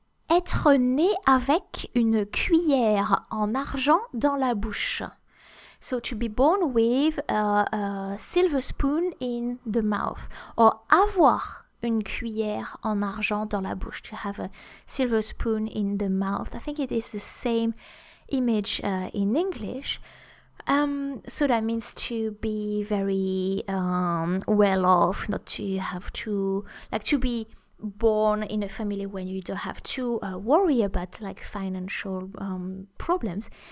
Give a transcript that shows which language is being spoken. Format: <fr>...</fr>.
<fr>Être né avec une cuillère en argent dans la bouche.</fr> <en>So, to be born with a silver spoon in the mouth.</en> <fr>Or, avoir une cuillère en argent dans la bouche.</fr> <en>To have a silver spoon in the mouth. I think it is the same image in English. So that means to be very well off, not to have to, like, to be born in a family when you don't have to worry about like financial problems.</en>